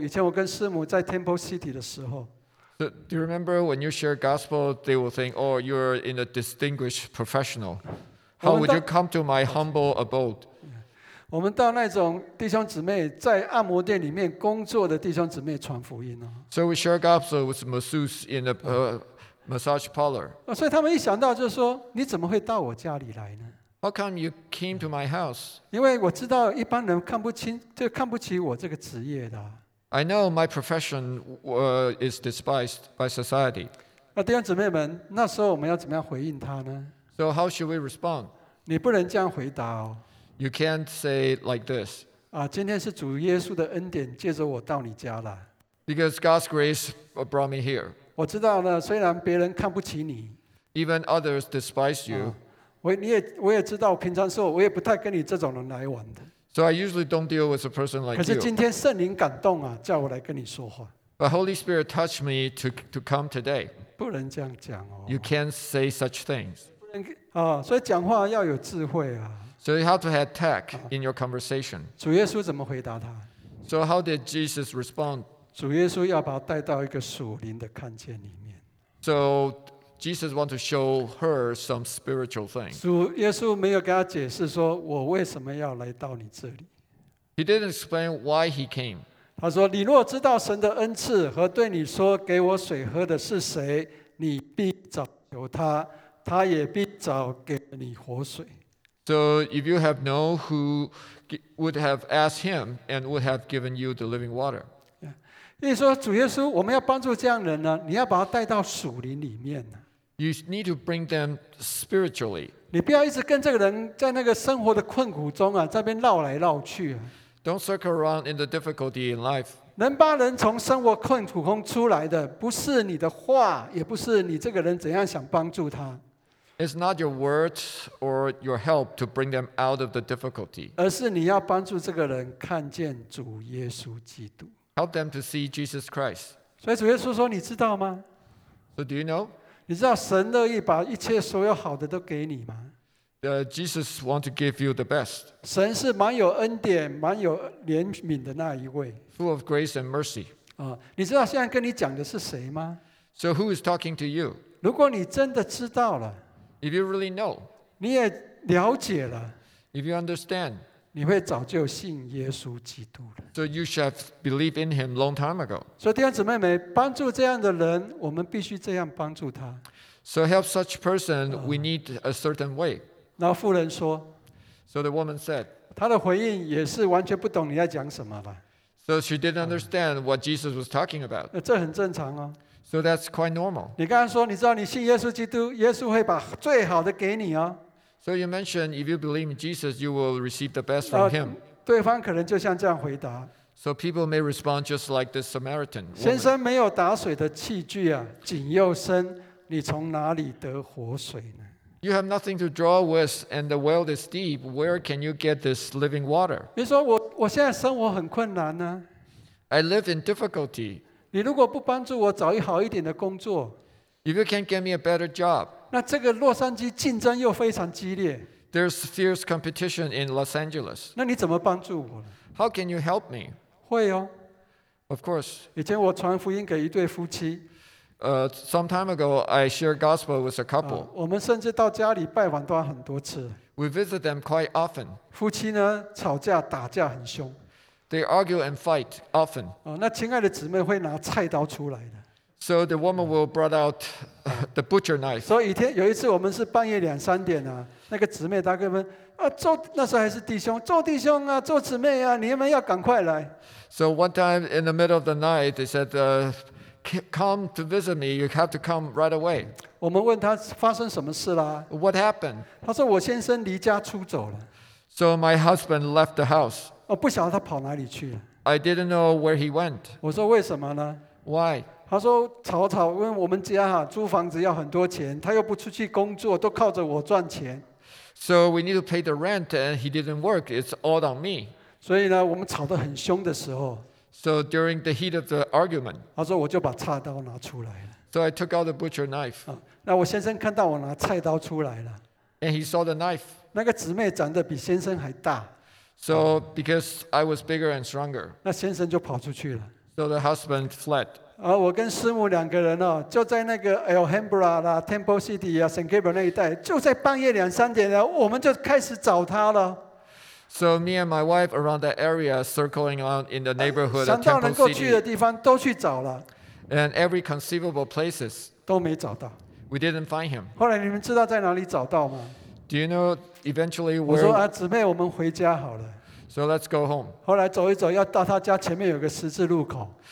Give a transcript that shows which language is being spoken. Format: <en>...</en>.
<zh>以前我跟师母在 Temple City 的时候。</zh> <en>So, do you remember when you share gospel, they will think, oh, you're in a distinguished professional. How would you come to my humble abode?</en> <zh>我们到那种弟兄姊妹在按摩店里面工作的弟兄姊妹传福音哦。</zh> <en>So we share gospel with masseuse in a massage parlor.</en> <zh>所以他们一想到就是说，你怎么会到我家里来呢</zh> <en>？How come you came to my house?</en> <zh>因为我知道一般人看不清，就看不起我这个职业的。</zh> <en>I know my profession is despised by society.</en> <zh>那弟兄姊妹们，那时候我们要怎么样回应他呢？</zh> <en>So how should we respond?</en> <zh>你不能这样回答哦。</zh> <en>You can't say like this.</en> <zh>啊，今天是主耶稣的恩典借着我到你家了。</zh> <en>Because God's grace brought me here.</en> <zh>我知道呢，虽然别人看不起你。</zh> <en>Even others despise you.</en> <zh>我也知道，平常时候我也不太跟你这种人来往的。</zh> <en>So I usually don't deal with a person like you.</en> <zh>可是今天圣灵感动啊，叫我来跟你说话。</zh> <en>But Holy Spirit touched me to come today.</en> <zh>不能这样讲哦。</zh> <en>You can't say such things.</en> <zh>哦、所以讲话要有智慧、啊、</zh> <en>So you have to have tact in your conversation.</en> <zh>主耶稣怎么回答他</zh> <en>？So how did Jesus respond?</en> <zh>主耶稣要把他带到一个属灵的看见里面。</zh> <en>So Jesus want to show her some spiritual things.</en> <zh>主耶稣没有给他解释说我为什么要来到你这里。</zh> <en>He didn't explain why he came.</en> <zh>他说你若知道神的恩赐和对你说给我水喝的是谁，你必找求他。他也必找给你活水。</zh> <en>So if you have known who would have asked him and would have given you the living water.</en> <zh>意思说主耶稣我们要帮助这样的人呢，你要把他带到属灵里面。</zh> <en>You need to bring them spiritually.</en> <zh>你不要一直跟这个人在那个生活的困苦中啊，在那边绕来绕去。</zh> <en>Don't circle around in the difficulty in life.</en> <zh>能把人从生活困苦中出来的，不是你的话，也不是你这个人怎样想帮助他。</zh> <en>It's not your words or your help to bring them out of the difficulty.</en> <zh>而是你要帮助这个人看见主耶稣基督。</zh> <en>Help them to see Jesus Christ.</en> <zh>所以主耶稣说：“你知道吗</zh> <en>？”So do you know?</en> <zh>你知道神乐意把一切所有好的都给你吗</zh> <en>？Jesus want to give you the best.</en> <zh>神是蛮有恩典、蛮有怜悯的那一位。</zh> <en>Full of grace and mercy.</en> <zh>啊，你知道现在跟你讲的是谁吗</zh> <en>？So who is talking to you?</en> <zh>如果你真的知道了。</zh> <en>If you really know,</en> <zh>你也了解了</zh> <en>If you understand,</en> <zh>你会早就信耶稣基督了</zh> <en>So you should have believed in him long time ago.</en> <zh>所以弟兄姊妹们，帮助这样的人，我们必须这样帮助他</zh> <en>So help such person, we need a certain way.</en> <zh>那妇人说</zh> <en>So the woman said,</en> <zh>她的回应也是完全不懂你在讲什么了。</zh> <en>So she didn't understand what Jesus was talking about.</en> <zh>这很正常哦。</zh> <en>So that's quite normal.</en> <zh>你刚刚说你知道你信耶稣基督，耶稣会把最好的给你哦。</zh> <en>So you mentioned if you believe in Jesus, you will receive the best from him.</en> <zh>对方可能就像这样回答。</zh> <en>So people may respond just like this Samaritan.</en> <zh>先生没有打水的器具啊，井又深，你从哪里得活水呢？</zh> <en>You have nothing to draw with, and the well is deep. Where can you get this living water?</en> <zh>你说我现在生活很困难呢。</zh> <en>I live in difficulty.</en> <zh>你如果不帮助我找一好一点的工作</zh> <en>，If you can't get me a better job,</en> <zh>那这个洛杉矶竞争又非常激烈。</zh> <en>There's fierce competition in Los Angeles.</en> <zh>那你怎么帮助我呢</zh> <en>？How can you help me?</en> <zh>会哦。</zh> <en>Of course.</en> <zh>以前我传福音给一对夫妻。</zh> <en>Some time ago, I shared gospel with a couple.</en> <zh>我们甚至到家里拜访都很多次。</zh> <en>We visit them quite often.</en> <zh>夫妻呢，吵架打架很凶。</zh> <en>They argue and fight often.</en> <zh>那亲爱的姊妹会拿菜刀出来的。</zh> <en>So the woman will brought out the butcher knife.</en> <zh>所以一天有一次我们是半夜两三点啊，那个姊妹大哥们啊，做那时候还是弟兄，做弟兄啊，做姊妹啊，你们要赶快来。</zh> <en>So one time in the middle of the night, they said, Come to visit me. You have to come right away.</en> <zh>我们问他发生什么事啦</zh> <en>？What happened?</en> <zh>他说我先生离家出走了。</zh> <en>So my husband left the house.</en> <zh>我不晓得他跑哪里去了。</zh> <en>I didn't know where he went.</en> <zh>我说为什么呢</zh> <en>？Why?</en> <zh>他说吵吵，因为我们家哈租房子要很多钱，他又不出去工作，都靠着我赚钱。</zh> <en>So we need to pay the rent, and he didn't work. It's all on me.</en> <zh>所以呢，我们吵得很凶的时候。</zh> <en>So during the heat of the argument,</en> <zh>他说我就把菜刀拿出来了。</zh> <en>So I took out the butcher knife.</en> <zh>那我先生看到我拿菜刀出来了。</zh> <en>And he saw the knife.</en> <zh>那个姊妹长得比先生还大。</zh> <en>So because I was bigger and stronger.</en> <zh>那先生就跑出去了。</zh> <en>So the husband fled.</en> <zh>我跟师母两个人哦，就在那个 El Hambra 啦、Temple City 啊、San Gabriel 那一带，就在半夜两三点了，我们就开始找他了。</zh> <en>So me and my wife around that area, circling around in the neighborhood of Temple City.</en> <zh>想到能够去的地方都去找了。</zh> <en>And every conceivable places.</en> <zh>都没找到。</zh> <en>We didn't find him.</en> <zh>后来你们知道在哪里找到吗</zh> <en>？Do you know eventually where?</en> <zh>我说啊，姊妹，我们回家好了。</zh> <en>So let's go home.</en> <zh>后来走一走，要到他家前面有个十字路口。</zh>